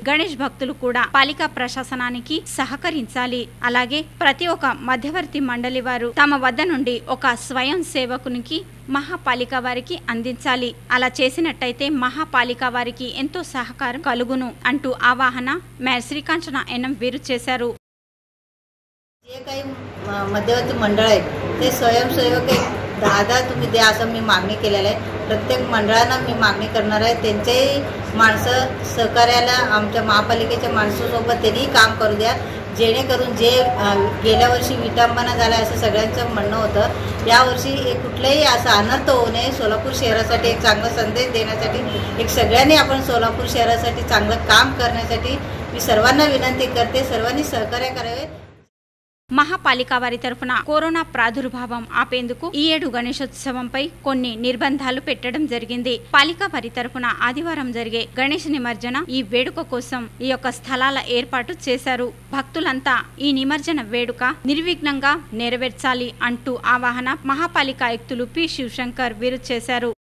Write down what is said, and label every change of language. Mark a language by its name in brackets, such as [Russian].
[Telugu] గణేష్ భక్తులు కూడా పాలికా ప్రశాసనానికి సహకరించాలి. అలాగే ప్రతి ఒక్క మధ్యవర్తి మండలి వారు తమ వద్ద నుండి ఒక స్వయం సేవకునికి మహాపాలిక వారికి అందించాలి. అలా చేసినట్టయితే మహాపాలిక వారికి ఎంతో సహకారం కలుగును అంటూ ఆవాహన మేయర్ శ్రీకాంచన ఎన్ఎం వీరు చేశారు. [Marathi] जे काही मध्यवर्ती मंडळ आहेत ते स्वयंसेवक आहेत. दादा तुम्ही द्या असं मी मागणी केलेलं आहे. प्रत्येक मंडळांना मी मागणी करणार आहे. त्यांच्याही माणसं सहकार्याला आमच्या महापालिकेच्या माणसांसोबत त्यांनीही काम करू द्या. जेणेकरून जे गेल्या वर्षी विटंबना झाला असं सगळ्यांचं म्हणणं होतं, यावर्षी कुठलंही असा अनर्थ होऊ नये. सोलापूर शहरासाठी एक चांगला संदेश देण्यासाठी, एक सगळ्यांनी आपण सोलापूर शहरासाठी चांगलं काम करण्यासाठी मी सर्वांना विनंती करते, सर्वांनी सहकार्य करावे. [Telugu] మహాపాలికా వారి తరఫున కరోనా ప్రాదుర్భావం ఆపేందుకు ఈ ఏడు గణేశోత్సవంపై కొన్ని నిర్బంధాలు పెట్టడం జరిగింది. పాలిక వారి తరఫున ఆదివారం జరిగే గణేష్ నిమజ్జన ఈ వేడుక కోసం ఈ యొక్క స్థలాల ఏర్పాటు చేశారు. భక్తులంతా ఈ నిమజ్జన వేడుక నిర్విఘ్నంగా నెరవేర్చాలి అంటూ ఆవాహన మహాపాలిక ఆయుక్తులు పి శివశంకర్ వీరు చేశారు.